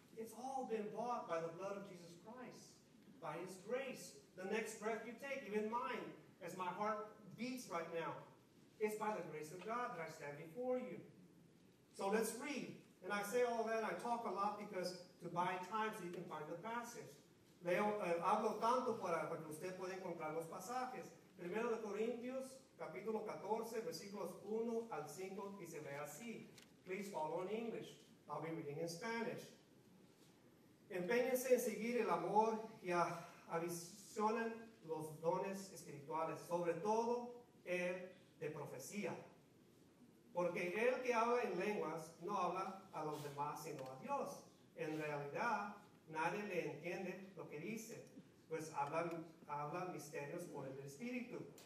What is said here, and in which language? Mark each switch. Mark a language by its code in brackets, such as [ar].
[en] It's all been bought by the blood of Jesus Christ, by His grace. The next breath you take, even mine, as my heart beats right now, it's by the grace of God that I stand before you. So let's read. And I say all that, I talk a lot because to buy time so you can find the passage. [es] Hablo tanto para que usted pueda encontrar los pasajes. Primero de Corintios, capítulo 14, versículos 1 al 5, y se ve así. [en] Please follow in English. I'll be reading in Spanish. [es] Empeñense en seguir el amor y avisionen los dones espirituales, sobre todo el de profecía. Porque el que habla en lenguas no habla a los demás sino a Dios. En realidad, nadie le entiende lo que dice, pues habla misterios por el Espíritu.